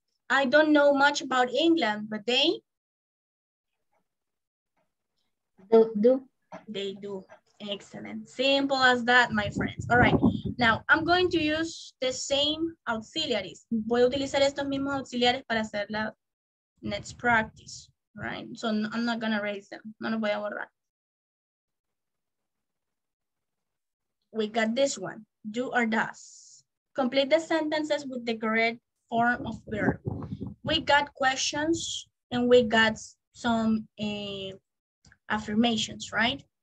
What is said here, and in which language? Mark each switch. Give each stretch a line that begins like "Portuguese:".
English: I don't know much about England, but they? They do. Excellent. Simple as that, my friends. All right. Now, I'm going to use the same auxiliaries.
Spanish: Voy a utilizar estos mismos auxiliares para hacer la next practice, right?
English: So no, I'm not going to erase them. No los voy a borrar. We got this one, do or does. Complete the sentences with the correct form of verb. We got questions and we got some affirmations, right?